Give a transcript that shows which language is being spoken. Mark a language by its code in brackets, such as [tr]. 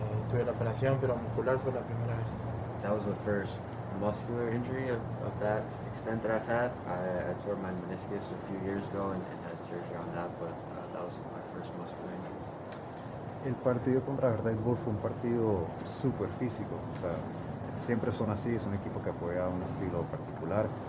[es] Tuve la operación, pero muscular fue la primera vez. [en] That was the first muscular injury of that extent that I've had. I tore my meniscus a few years ago and had surgery on that, but that was my first muscular injury. [es] El partido contra Verde Bull fue un partido super físico. O sea, siempre son así, es un equipo que apoya un estilo particular.